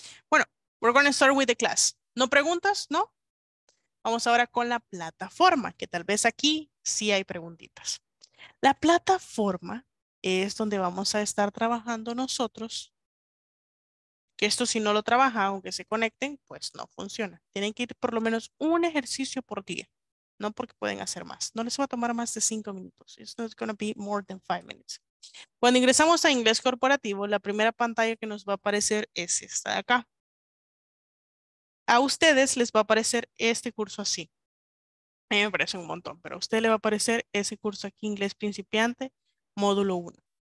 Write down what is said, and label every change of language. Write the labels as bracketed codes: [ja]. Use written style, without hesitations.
[es] Bueno, [en] we're going to start with the class. [es] ¿No preguntas? ¿No? Vamos ahora con la plataforma, que tal vez aquí sí hay preguntitas. La plataforma es donde vamos a estar trabajando nosotros. Que esto si no lo trabajan, aunque se conecten, pues no funciona. Tienen que ir por lo menos un ejercicio por día. No porque pueden hacer más. No les va a tomar más de 5 minutos. [en] It's not going to be more than 5 minutes. [es] Cuando ingresamos a inglés corporativo, la primera pantalla que nos va a aparecer es esta de acá. A ustedes les va a aparecer este curso así. A mí me parece un montón, pero a usted le va a aparecer ese curso aquí, Inglés Principiante, módulo 1.